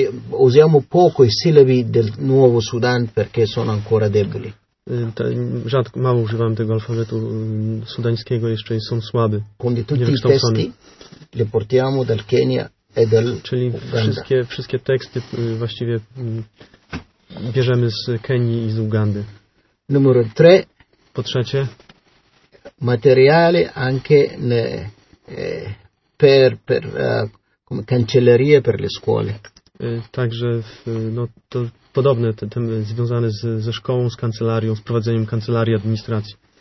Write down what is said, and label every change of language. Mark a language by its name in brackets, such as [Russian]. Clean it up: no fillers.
[Italian] Usiamo poco i syllabi del Nuovo Sudan perché sono ancora deboli. [Polish] Rzadko, mało używamy tego alfabetu sudańskiego, jeszcze są słaby. [Italian] Quindi tutti i testi li portiamo dal Kenya e dal Uganda. [Polish] Czyli wszystkie teksty właściwie bierzemy z Kenii i z Ugandy. [Italian] Numero tre. [Polish] Po trzecie. [Italian] Materiale anche per come cancellerie per le scuole. [Polish] Także to podobne temy związane ze szkołą, z kancelarią, z prowadzeniem kancelarii administracji.